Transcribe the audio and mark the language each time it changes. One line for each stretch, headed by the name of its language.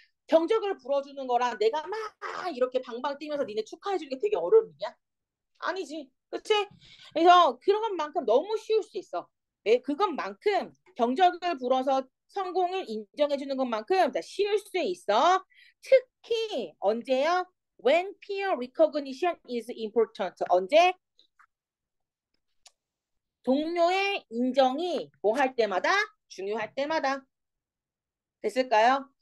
Korean: 경적을 불어주는 거랑 내가 막 이렇게 방방 뛰면서 니네 축하해 주는 게 되게 어려운 일이야? 아니지. 그치? 그래서 그것만큼 너무 쉬울 수 있어. 예, 그것만큼 경적을 불어서 성공을 인정해주는 것만큼 쉬울 수 있어. 특히 언제요?
English: When peer recognition is important.
Korean: 언제? 동료의 인정이 뭐할 때마다? 중요할 때마다. 됐을까요?